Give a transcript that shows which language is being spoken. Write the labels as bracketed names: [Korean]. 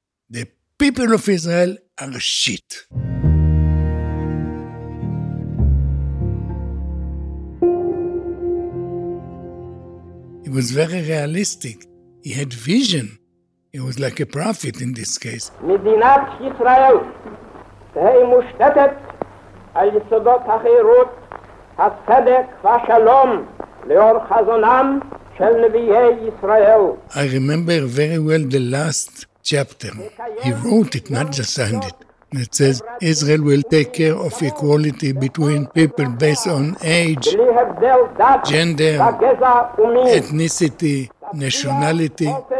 [English] The people of Israel are shit. He was very realistic. He had vision. He was like a prophet in this case. [Hebrew] מדינת ישראל תהיה מושתתת על יסודות החירות, הצדק והשלום לאור חזונם של נביאי ישראל. [English] I remember very well the last chapter. He wrote it, not just signed it. It says, Israel will take care of equality between people based on age, gender, ethnicity, nationality.